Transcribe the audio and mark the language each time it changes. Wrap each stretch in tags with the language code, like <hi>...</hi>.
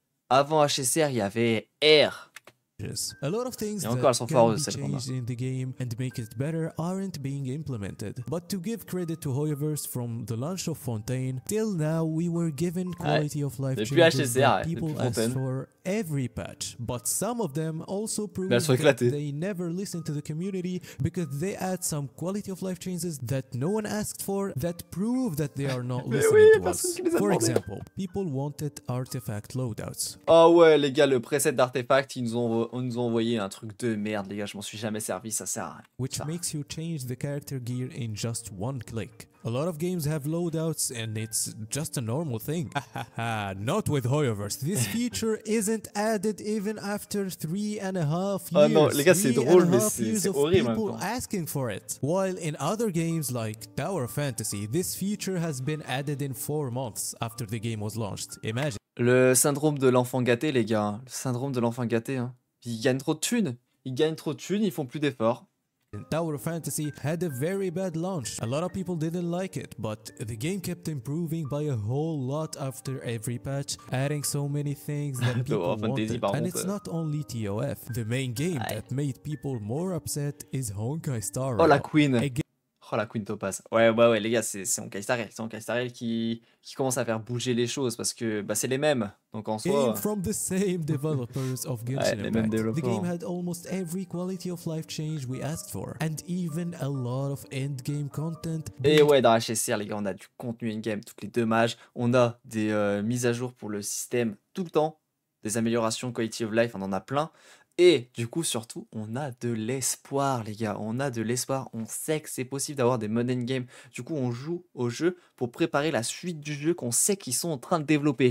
<fr>Avant HSR, il y avait R.</fr> <en>A lot of things in the game and make it better aren't being implemented. But to give credit to Hoyoverse from the launch of Fontaine, till now we were given quality of life changes that people asked for every patch. But some of them also proved that they never listened to the community because they add some quality of life changes that no one asked for that prove that they are not listening to us. For example, people wanted artifact loadouts.</en> <fr>Oh ouais, les gars, le preset d'artefact, ils nous ont on nous a envoyé un truc de merde, les gars, je m'en suis jamais servi, ça sert à rien.</fr> <en>Which makes you change the character gear in just one click. A lot of games have loadouts and it's just a normal thing. Not with Hoyoverse. This feature isn't added even after 3.5 years.</en> <fr>Oh non, les gars, c'est drôle, mais c'est horrible.</fr> <en>People asking for it. While in other games like Tower Fantasy, this feature has been added in 4 months after the game was launched. Imagine.</en> <fr>Le syndrome de l'enfant gâté, les gars. Le syndrome de l'enfant gâté. Hein. Ils gagnent trop de thunes. Ils gagnent trop de thunes, ils font plus d'efforts.</fr> <en>Tower Fantasy had a very bad launch. A lot of people didn't like it, but the game kept improving by a whole lot after every patch, adding so many things that people wanted. And it's not only TOF. The main game that made people more upset is Honkaistarrail.</en> <fr>Oh la queen. Oh la queen Topaz. Ouais, les gars, c'est Honkaistarrail. C'est Honkaistarrail qui commence à faire bouger les choses parce que bah, c'est les mêmes. Donc en soi.</fr> <en>Game from the same developers of Genshin Impact. Ouais, the game had almost every quality of life change we asked for. And even a lot of end game content.</en> <fr>Et ouais, dans HSR, les gars, on a du contenu in game toutes les deux mages. On a des mises à jour pour le système tout le temps. Des améliorations quality of life, on en a plein. Et du coup, surtout, on a de l'espoir, les gars. On a de l'espoir. On sait que c'est possible d'avoir des money in game. Du coup, on joue au jeu pour préparer la suite du jeu qu'on sait qu'ils sont en train de développer.</fr>